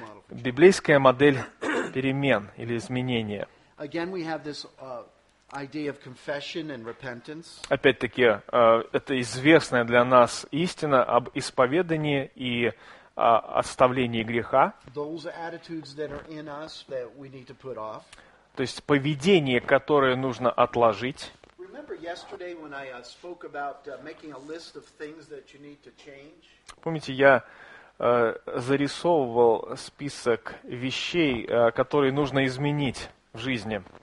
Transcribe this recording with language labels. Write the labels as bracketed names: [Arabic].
[Russian] Библейская модель перемен или изменения. [English] Again, we have this, idea of confession and repentance. [Russian] Опять-таки, это известная для нас истина об исповедании и отставлении греха. [English] Those attitudes that are in us that we need to put off. [Russian] То есть поведение, которое нужно отложить. [English] Remember yesterday when I spoke about making a list of things that you need to change? [Russian] Помните, я зарисовывал список вещей, которые нужно изменить в жизни.